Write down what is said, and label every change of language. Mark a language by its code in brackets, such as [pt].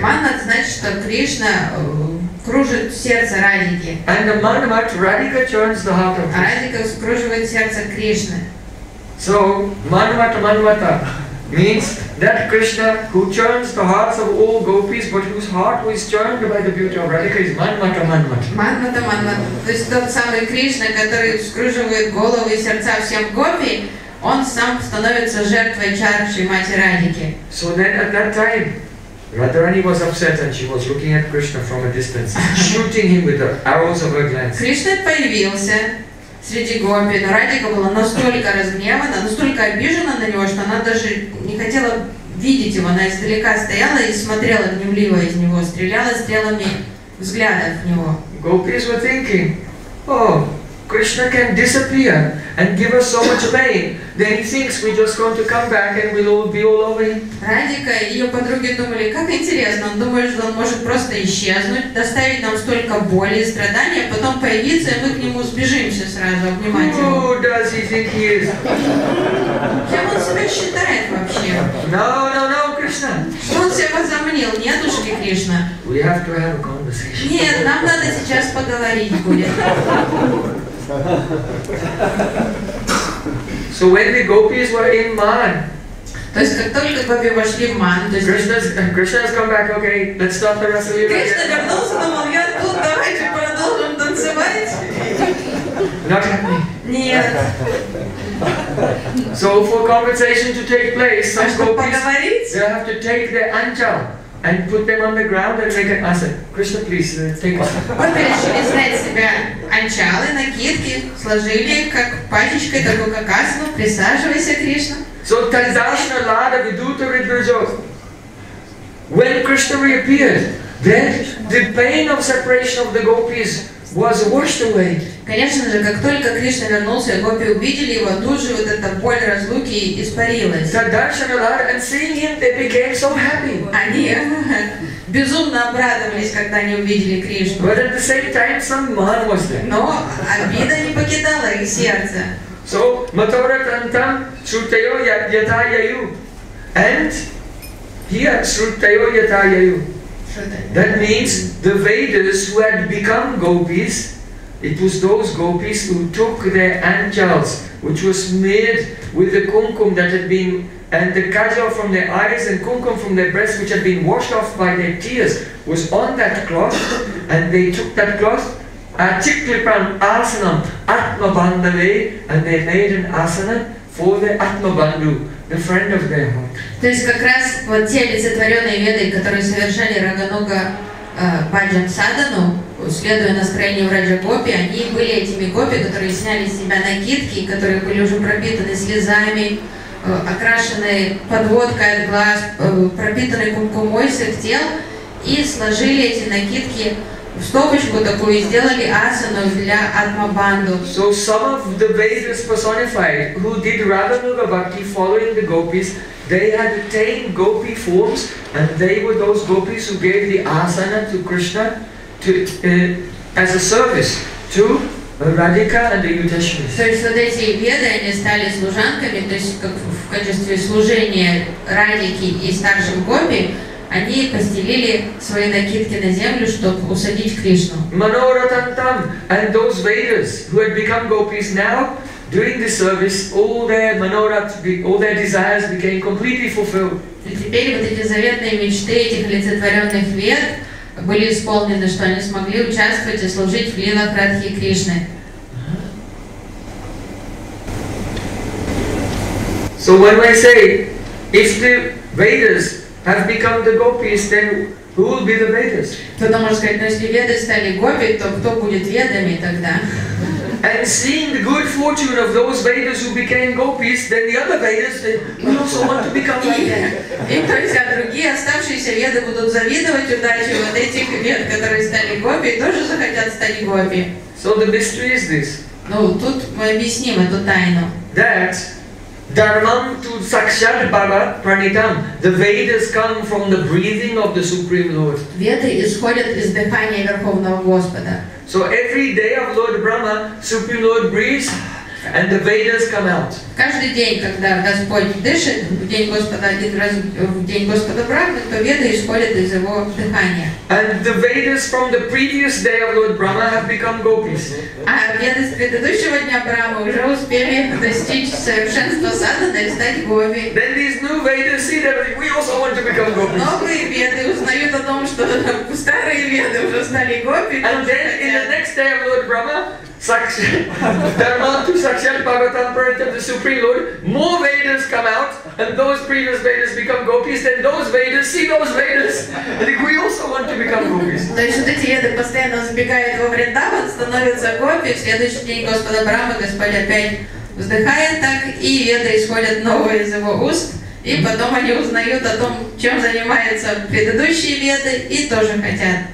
[ru] Манмат значит, что Кришна кружит сердце Радхики. [en] And the манмат Radhika churns the heart of Krishna. [ru] Радхика скруживает сердце Кришны. [en] So манмат, манмата. Means that Krishna who churns the hearts of all gopis but whose heart was churned by the beauty of Radhika is Manmata Manmata. Manmata Manmata. [ru] То есть тот самый Кришна, который скруживает головы и сердца всем гопи, он сам становится жертвой чарши Мати Радхики. [en] So then at that time, Radharani was upset and she was looking at Krishna from a distance, shooting him with the arrows of her glance. [ru] Кришна появился среди гопи, но Радика была настолько разгневана, настолько обижена на него, что она даже не хотела видеть его. Она издалека стояла и смотрела гневливо из него, стреляла стрелами взгляда в него. [en] Gopis were thinking, oh, Krishna can disappear and give us so much pain. Then he thinks we're just going to come back and we'll all be all over him. [ru] Радика и ее подруги думали, как интересно, он думает, что он может просто исчезнуть, доставить нам столько боли и страдания, потом появиться, и мы к нему сбежимся сразу, обнимать его. [en] Who does he think he is? [ru] Кем он себя считает вообще? [en] No, Krishna. [ru] Что он себя возомнил? Нет уж ли Кришна? [en] We have to have a conversation. [ru] Нет, нам надо сейчас поговорить будет. [en] So when the gopis were in Man, [ru] то есть как только гопи вошли в Ман, то есть [en] Krishna has come back. Okay, let's stop the rest of you. [ru] Кришна вернулся, думал, я тут, давайте продолжим танцевать. [en] Not happy. [ru] Нет. [en] So for conversation to take place, some gopis they have to take their anchal and put them on the ground and make an asana. Krishna, please, take one. [ru] Гопи решили снять себя анчалы, накидки, сложили как пасечкой, такую как асану. Присаживайся, Кришна. [sa] So, Tandasana, Lada, Viduta, Ridvijo. [en] When Krishna reappeared, then the pain of separation of the gopis was washed away. [ru] Конечно же, как только Кришна вернулся, гопи увидели его, тут же вот эта боль разлуки испарилась. [sa] Tandasana, Lada, [en] and seeing him, they became so happy. [ru] Они безумно обрадовались, когда они увидели Кришну. [en] But at the same time, some man was there. [ru] Но обида не покидала их сердце. [sa] So, Matora Tantam, Shruteyo Yatayayu. [en] And here, Shruteyo Yatayayu. That means the Vedas who had become gopis, it was those gopis who took their anchals, which was smeared with the kumkum that had been, and the kajal from their eyes and kumkum from their breasts, which had been washed off by their tears, was on that cloth, and they took that cloth. [sa] Achiklipan asanam atma bandhave, [en] and they made an asana for the atma bandhu, the friend of their heart. [ru] То есть как раз вот те олицетворенные веды, которые совершали рагануга баджан садану, следуя настроению раджа гопи, они были этими гопи, которые сняли с себя накидки, которые были уже пропитаны слезами, окрашены подводкой от глаз, пропитаны кумкумой всех тел, и сложили эти накидки в стопочку такую и сделали асану для атмабанду. [en] So some of the Vedas personified who did Radhanuga Bhakti following the gopis, they had attained gopi forms and they were those gopis who gave the asana to Krishna to, as a service to Radhika and the Yudhishthiras. [ru] То есть вот эти веды, они стали служанками, то есть как в качестве служения Радхики и старшим гопи, они постелили свои накидки на землю, чтобы усадить Кришну. [en] Manoratantam and those Vedas who had become gopis now, during the service, all their manorat, all their desires became completely fulfilled. [ru] И теперь вот эти заветные мечты этих олицетворенных вед были исполнены, что они смогли участвовать и служить в лилах Радхи Кришны. [en] So when I say, if the Vedas have become the gopis, then who will be the Vedas? [ru] Кто-то может сказать, если веды стали гопи, то кто будет ведами тогда? [en] And seeing the good fortune of those Vedas who became gopis, then the other Vedas will also want to become like them. [ru] И то есть, а другие оставшиеся веды будут завидовать удачи вот этих вед, которые стали гопи, тоже захотят стать гопи. [en] So the mystery is this. [ru] Ну, тут мы объясним эту тайну. [sa] That dharmam tu sakshat bharat pranitam. [en] The Vedas come from the breathing of the Supreme Lord. [ru] Веды исходят из дыхания Верховного Господа. [en] So every day of Lord Brahma, Supreme Lord breathes, and the Vedas come out. [ru] Каждый день, когда Господь дышит, в день Господа один раз, в день Господа Брахмы, то Веды исходят из его дыхания. [en] And the Vedas from the previous day of Lord Brahma have become gopis. [ru] А Веды с предыдущего дня Брахмы уже успели достичь совершенства садханы и стать гопи. [en] Then these new Vedas see that we also want to become gopis. [ru] Новые Веды узнают о том, что старые Веды уже стали гопи. [en] And then in the next day of Lord Brahma, the Supreme Lord, more Vedas come out, and those previous Vedas become gopis, then those Vedas see those Vedas, and we also want to become gopis. [ru] То есть вот эти Веды постоянно сбегают во Вриндаван, становятся гопи, в следующий день Господа Брахма, Господь опять вздыхает так, и Веды исходят новые из его уст, и потом они узнают о том, чем занимаются предыдущие Веды, и тоже хотят.